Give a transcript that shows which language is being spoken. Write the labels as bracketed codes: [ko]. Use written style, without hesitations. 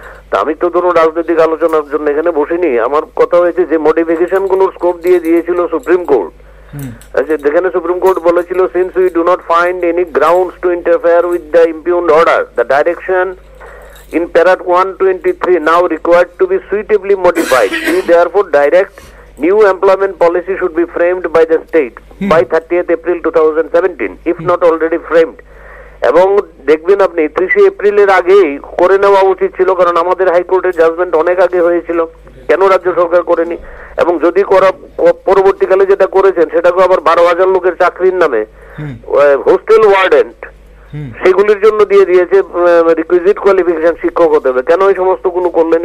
[bn] তা আমি তো ধরুন রাজনৈতিক আলোচনার জন্য এখানে বসিনি, আমার কথা হয়েছে যে মডিফিকেশন গুলোর স্কোপ দিয়ে দিয়েছিল সুপ্রিম কোর্ট, যেখানে সুপ্রিম কোর্ট বলেছিল [en] Since we do not find any grounds to interfere with the impugned order, the direction in para 123 now required to be suitably modified, we therefore direct New employment policy should be framed by the state by 30th April 2017, if not already framed. [bn] এবং দেখবেন আপনি 30 এপ্রিলের আগে করে নেওয়া উচিত ছিল, কারণ আমাদের হাইকোর্টের জাজমেন্ট অনেক আগে হয়েছিল, কেন রাজ্য সরকার করেনি? এবং যদি পরবর্তীকালে যেটা করেছেন সেটাকে আবার 12,000 লোকের চাকরির নামে হোস্টেল ওয়ার্ডেন সেগুলির জন্য দিয়ে দিয়েছে রিকুইজিট কোয়ালিফিকেশন শিক্ষক হতে হবে, কেন এই সমস্ত গুলো করলেন?